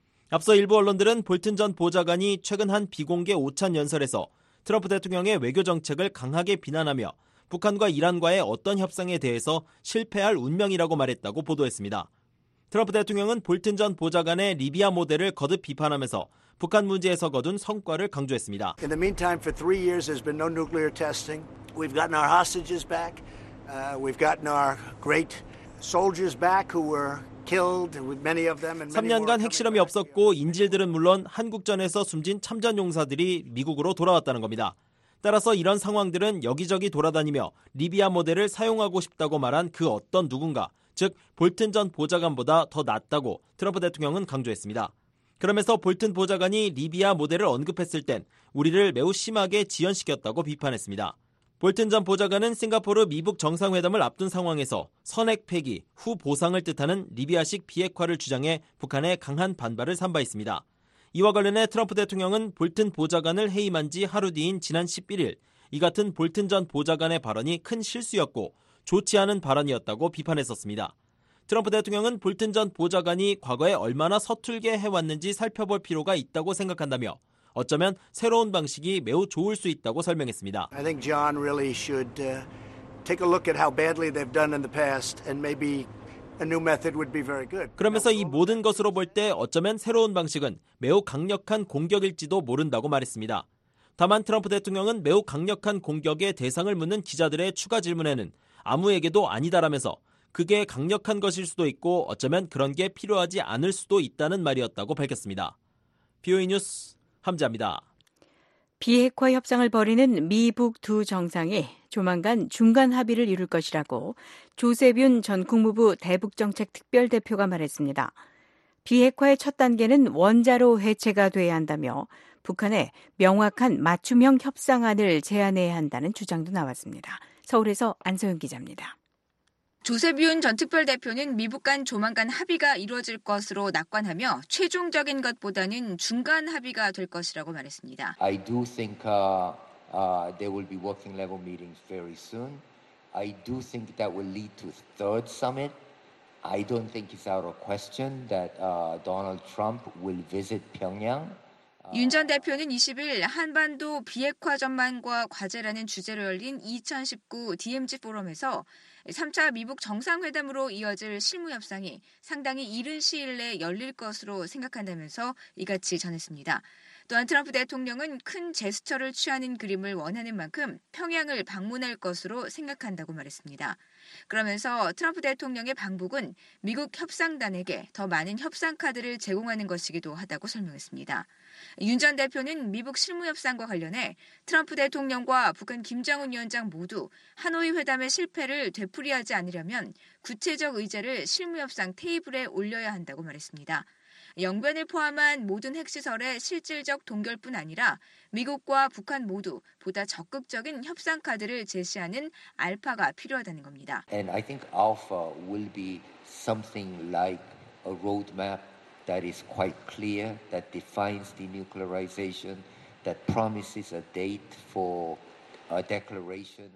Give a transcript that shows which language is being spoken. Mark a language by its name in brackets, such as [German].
[Korean] 앞서 일부 언론들은 볼튼 전 보좌관이 최근 한 비공개 오찬 연설에서 트럼프 대통령의 외교 정책을 강하게 비난하며 북한과 이란과의 어떤 협상에 대해서 실패할 운명이라고 말했다고 보도했습니다. 트럼프 대통령은 볼튼 전 보좌관의 리비아 모델을 거듭 비판하면서 북한 문제에서 거둔 성과를 강조했습니다. [English] In the meantime, for 3 years, there's been no nuclear testing. We've gotten our hostages back. We've gotten our great soldiers back who were [Korean] 3년간 핵실험이 없었고 인질들은 물론 한국전에서 숨진 참전용사들이 미국으로 돌아왔다는 겁니다. 따라서 이런 상황들은 여기저기 돌아다니며 리비아 모델을 사용하고 싶다고 말한 그 어떤 누군가, 즉 볼튼 전 보좌관보다 더 낫다고 트럼프 대통령은 강조했습니다. 그러면서 볼튼 보좌관이 리비아 모델을 언급했을 땐 우리를 매우 심하게 지연시켰다고 비판했습니다. 볼튼 전 보좌관은 싱가포르 미북 정상회담을 앞둔 상황에서 선핵 폐기, 후 보상을 뜻하는 리비아식 비핵화를 주장해 북한의 강한 반발을 산 바 있습니다. 이와 관련해 트럼프 대통령은 볼튼 보좌관을 해임한 지 하루 뒤인 지난 11일 이 같은 볼튼 전 보좌관의 발언이 큰 실수였고 좋지 않은 발언이었다고 비판했었습니다. 트럼프 대통령은 볼튼 전 보좌관이 과거에 얼마나 서툴게 해왔는지 살펴볼 필요가 있다고 생각한다며 어쩌면 새로운 방식이 매우 좋을 수 있다고 설명했습니다. [English] I think John really should take a look at how badly they've done in the past and maybe a new method would be very good. [Korean] 그러면서 이 모든 것으로 볼 때 어쩌면 새로운 방식은 매우 강력한 공격일지도 모른다고 말했습니다. 다만 트럼프 대통령은 매우 강력한 공격의 대상을 묻는 기자들의 추가 질문에는 아무에게도 아니다라면서 그게 강력한 것일 수도 있고 어쩌면 그런 게 필요하지 않을 수도 있다는 말이었다고 밝혔습니다. BOE 뉴스 함재입니다. 비핵화 협상을 벌이는 미북 두 정상이 조만간 중간 합의를 이룰 것이라고 조셉 윤 전 국무부 대북정책특별대표가 말했습니다. 비핵화의 첫 단계는 원자로 해체가 돼야 한다며 북한에 명확한 맞춤형 협상안을 제안해야 한다는 주장도 나왔습니다. 서울에서 안소영 기자입니다. 조셉 윤 전 특별대표는 미북 간 조만간 합의가 이루어질 것으로 낙관하며 최종적인 것보다는 중간 합의가 될 것이라고 말했습니다. [English] I do think there will be working level meetings very soon. I do think that will lead to third summit. I don't think it's out of question that Donald Trump will visit Pyongyang. [Korean] 윤 전 대표는 20일 한반도 비핵화 전망과 과제라는 주제로 열린 2019 DMZ 포럼에서 3차 미북 정상회담으로 이어질 실무협상이 상당히 이른 시일 내에 열릴 것으로 생각한다면서 이같이 전했습니다. 또한 트럼프 대통령은 큰 제스처를 취하는 그림을 원하는 만큼 평양을 방문할 것으로 생각한다고 말했습니다. 그러면서 트럼프 대통령의 방북은 미국 협상단에게 더 많은 협상카드를 제공하는 것이기도 하다고 설명했습니다. 윤 전 대표는 미북 실무협상과 관련해 트럼프 대통령과 북한 김정은 위원장 모두 하노이 회담의 실패를 되풀이하지 않으려면 구체적 의제를 실무협상 테이블에 올려야 한다고 말했습니다. 영변을 포함한 모든 핵시설의 실질적 동결뿐 아니라 미국과 북한 모두 보다 적극적인 협상 카드를 제시하는 알파가 필요하다는 겁니다. [English] And I think alpha will be something like a roadmap that is quite clear, that defines denuclearization, that promises a date for a declaration.